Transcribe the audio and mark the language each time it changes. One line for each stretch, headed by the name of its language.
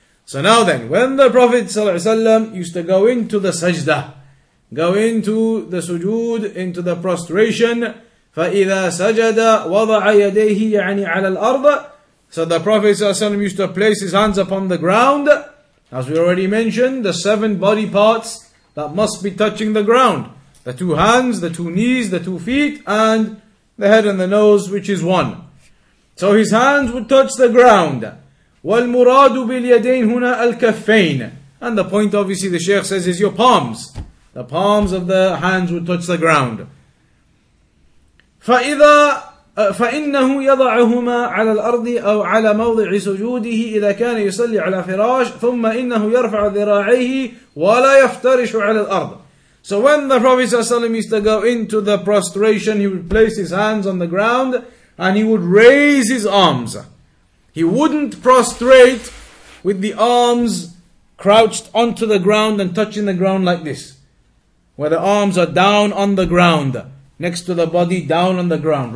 English: So now then, when the Prophet ﷺ used to go into the sajda, go into the sujood, into the prostration,
Arabic: فَإِذَا سَجَدَ وَضَعَ يَدَيْهِ يَعْنِي عَلَى الْأَرْضَ.
English: So the Prophet ﷺ used to place his hands upon the ground, as we already mentioned, the seven body parts that must be touching the ground. The two hands, the two knees, the two feet, and the head and the nose, which is one. So his hands would touch the ground.
Arabic: والمراد باليدين هنا الكفين.
English: And the point obviously the Shaykh says is your palms. The palms of the hands would touch the ground.
Arabic: فإنه يضعهما على الأرض أو على موضع سجوده إذا كان يصلي على فراش ثم إنه يرفع ذراعيه ولا يفترش على الأرض.
English: So when the Prophet ﷺ used to go into the prostration, he would place his hands on the ground and he would raise his arms. He wouldn't prostrate with the arms crouched onto the ground and touching the ground like this, where the arms are down on the ground, next to the body, down on the ground.